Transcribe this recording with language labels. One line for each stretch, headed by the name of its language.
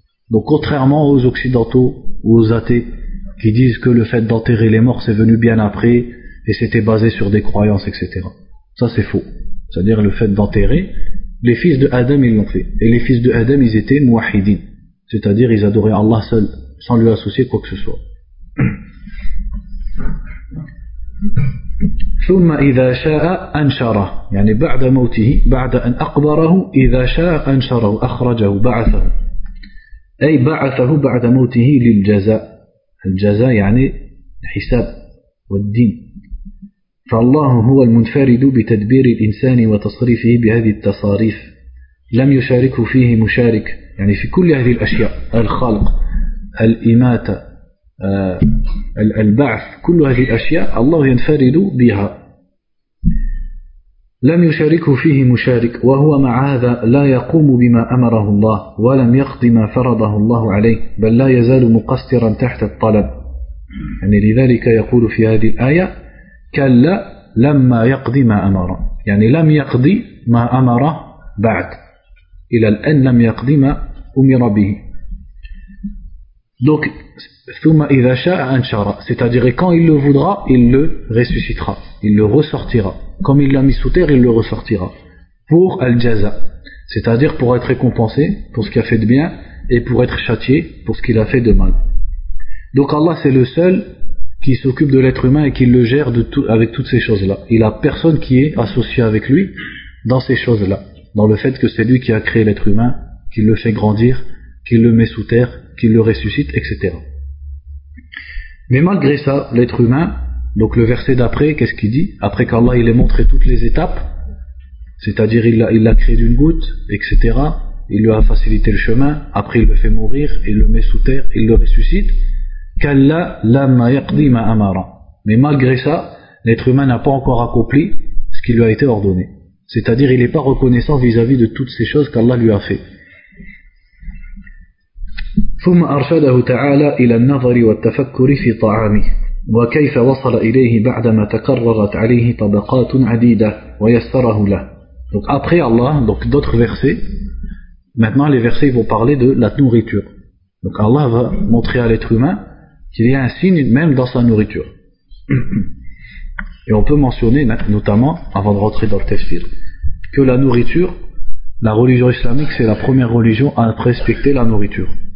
French: Donc contrairement aux occidentaux ou aux athées qui disent que le fait d'enterrer les morts c'est venu bien après et c'était basé sur des croyances, etc. Ça c'est faux. C'est-à-dire le fait d'enterrer, les fils de Adam ils l'ont fait. Et les fils de Adam ils étaient mouahidin. C'est-à-dire ils adoraient Allah seul, sans lui associer quoi que ce soit.
Arabic: ثم إذا شاء أنشره يعني بعد موته بعد أن أقبره إذا شاء أنشره أخرجه بعثه أي بعثه بعد موته للجزاء. الجزاء يعني الحساب والدين. فالله هو المنفرد بتدبير الإنسان وتصريفه بهذه التصاريف لم يشاركه فيه مشارك يعني في كل هذه الأشياء الخلق الإماتة البعث كل هذه الأشياء الله ينفرد بها لم يشاركه فيه مشارك وهو مع هذا لا يقوم بما أمره الله ولم يقضي ما فرضه الله عليه بل لا يزال مقصرا تحت الطلب يعني لذلك يقول في هذه الآية كلا لما يقضي ما أمره يعني لم يقضي ما أمره بعد إلى الآن لم يقضي ما أمر به.
French: Donc,
Arabic: ثُمَّ إِذَا شَاءَ أَنْشَرَ,
French: c'est-à-dire quand il le voudra, il le ressuscitera, il le ressortira. Comme il l'a mis sous terre, il le ressortira. Pour al-jaza, c'est-à-dire pour être récompensé pour ce qu'il a fait de bien et pour être châtié pour ce qu'il a fait de mal. Donc Allah, c'est le seul qui s'occupe de l'être humain et qui le gère avec toutes ces choses-là. Il n'a personne qui est associé avec lui dans ces choses-là, dans le fait que c'est lui qui a créé l'être humain, qui le fait grandir, qui le met sous terre, qu'il le ressuscite, etc. Mais malgré ça, l'être humain, donc le verset d'après, qu'est-ce qu'il dit? Après qu'Allah il ait montré toutes les étapes, c'est-à-dire il l'a créé d'une goutte, etc. Il lui a facilité le chemin, après il le fait mourir, il le met sous terre, il le ressuscite.
Arabic: Kalla lamma yaqdi ma amara.
French: Mais malgré ça, l'être humain n'a pas encore accompli ce qui lui a été ordonné. C'est-à-dire il n'est pas reconnaissant vis-à-vis de toutes ces choses qu'Allah lui a fait.
Arabic: ثم أرشده تعالى إلى النظر والتفكر في طعامه وكيف وصل إليه بعدما تكررت عليه طبقات عديدة ويسره له.
French: Donc après Allah, donc d'autres versets, maintenant les versets vont parler de la nourriture. Donc Allah va montrer à l'être humain qu'il y a un signe même dans sa nourriture. Et on peut mentionner notamment, avant de rentrer dans le tafsir, que la nourriture, la religion islamique, c'est la première religion à respecter la nourriture.